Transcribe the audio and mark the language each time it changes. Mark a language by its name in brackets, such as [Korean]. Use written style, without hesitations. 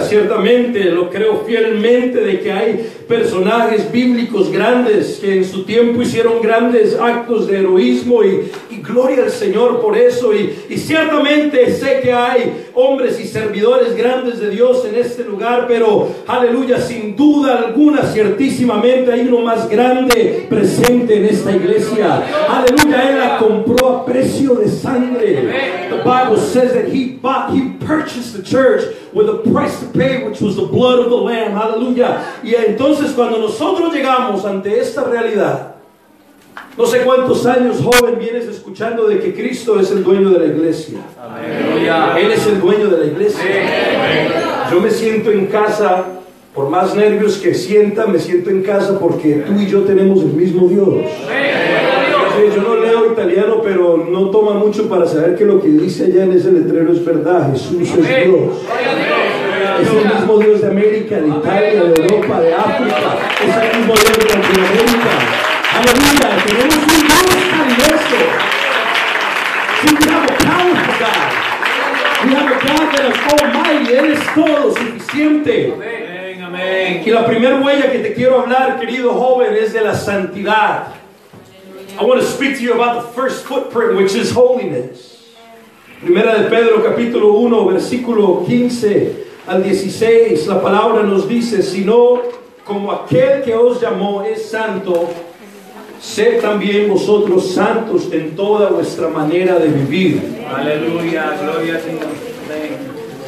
[Spanish] Ciertamente lo creo fielmente de que hay personajes bíblicos grandes que en su tiempo hicieron grandes actos de heroísmo y gloria al Señor por eso, y ciertamente sé que hay hombres y servidores grandes de Dios en este lugar, pero aleluya, sin duda alguna, ciertísimamente hay uno más grande presente en esta iglesia. Aleluya, él la compró a precio de sangre. [English] The Bible says that he purchased the church with a price to pay, which was the blood of the Lamb. Hallelujah. [Spanish] Y entonces cuando nosotros llegamos ante esta realidad, no sé cuántos años, joven, vienes escuchando de que Cristo es el dueño de la iglesia. Aleluya. Él es el dueño de la iglesia. Amén. Yo me siento en casa, por más nervios que sienta, me siento en casa porque tú y yo tenemos el mismo Dios. Amén. Yo no leo italiano, pero no toma mucho para saber que lo que dice allá en ese letrero es verdad. Jesús es Dios. Es el mismo Dios de América, de Italia, de Europa, de África. Es el mismo Dios de Latinoamérica. Aleluya, tenemos un Dios glorioso. [English] Sí, we have a powerful God. We have a God that is almighty. [Spanish] Él es todo suficiente. Amén, amén. Y la primera huella que te quiero hablar, querido joven, es de la santidad. [English] I want to speak to you about the first footprint, which is holiness. [Spanish] Primera de Pedro, capítulo 1, versículo 15 al 16, la palabra nos dice: sino como aquel que os llamó es santo, sed también vosotros santos en toda vuestra manera de vivir. Aleluya, gloria a Dios.